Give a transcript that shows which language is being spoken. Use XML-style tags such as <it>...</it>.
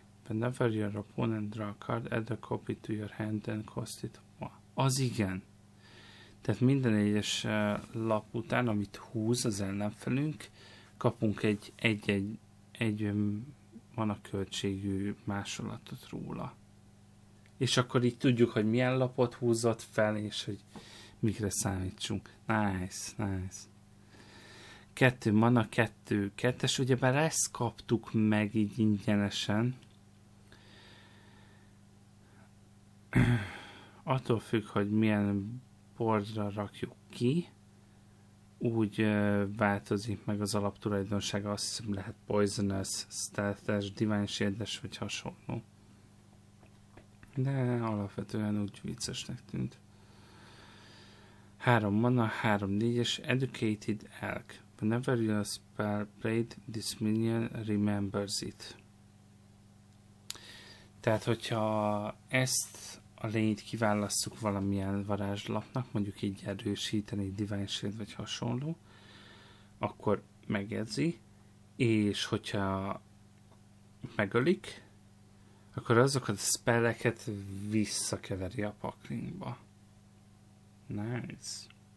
<en>Whenever your opponent draw a card, add a copy to your hand and cost it one.</en> <hu>Az igen. Tehát minden egyes lap után, amit húz az ellenfelünk, kapunk egy mana költségű másolatot róla. És akkor így tudjuk, hogy milyen lapot húzott fel, és hogy mikre számítsunk. Nice. 2 mana, 2-2-es, ugyebár ezt kaptuk meg így ingyenesen. Attól függ, hogy milyen boardra rakjuk ki, úgy változik meg az alaptulajdonsága, azt hiszem lehet poisonous, stealth-es, divine shield-es, vagy hasonló. De alapvetően úgy viccesnek tűnt. 3 mana, 3-4-es, Educated Elk.</hu> <en>Whenever your spell played, this minion remembers it.</en> <hu>Tehát, hogyha ezt a lényt kiválasztjuk valamilyen varázslapnak, mondjuk így erősíteni, divine shield vagy hasonló, akkor megjegyzi, és hogyha megölik, akkor azokat a spelleket visszakeveri a paklingba. Nice.</hu>